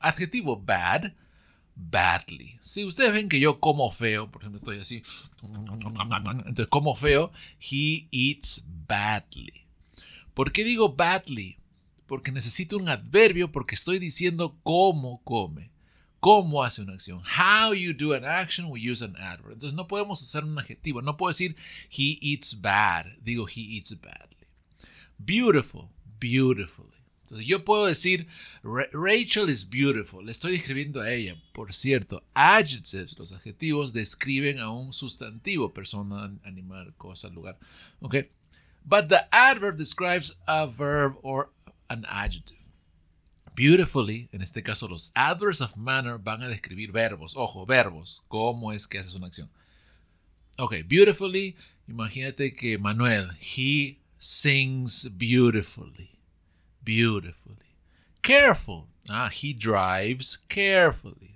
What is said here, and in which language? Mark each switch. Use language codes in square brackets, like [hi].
[es] Adjetivo bad, badly. Si ustedes ven que yo como feo, por ejemplo, estoy así. Entonces, como feo, [en] he eats badly. [es] ¿Por qué digo badly? Porque necesito un adverbio, porque estoy diciendo cómo come, cómo hace una acción. [en] How you do an action, we use an adverb. [es] Entonces, no podemos usar un adjetivo. No puedo decir, [en] he eats bad. Digo, he eats badly. Beautiful, beautifully. [es] Entonces, yo puedo decir, [en] Rachel is beautiful. [es] Le estoy describiendo a ella. Por cierto, adjectives, los adjetivos, describen a un sustantivo, persona, animal, cosa, lugar. Okay. [en] But the adverb describes a verb or an adjective. [es] beautifully, en este caso los adverbs of manner van a describir verbos. Ojo, verbos, ¿cómo es que haces una acción? [en] Ok, beautifully, [es] imagínate que [en] Manuel, he sings beautifully, beautifully. Careful, he drives carefully.